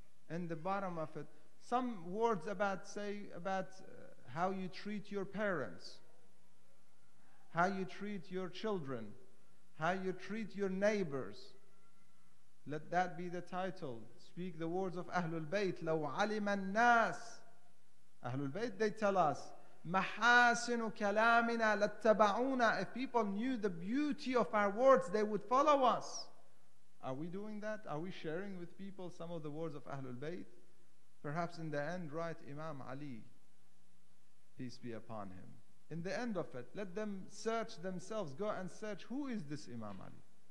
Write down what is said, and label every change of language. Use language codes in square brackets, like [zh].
[en] In the bottom of it, some words about, say, about how you treat your parents, how you treat your children, how you treat your neighbors. Let that be the title. Speak the words of Ahlul Bayt. [ar] لو علم الناس Ahlul Bayt, [en] they tell us [ar] محاسن كلامنا لاتبعونا. [en] If people knew the beauty of our words, they would follow us. Are we doing that? Are we sharing with people some of the words of Ahlul Bayt? Perhaps in the end, write Imam Ali, peace be upon him. In the end of it, let them search themselves. Go and search, who is this Imam Ali?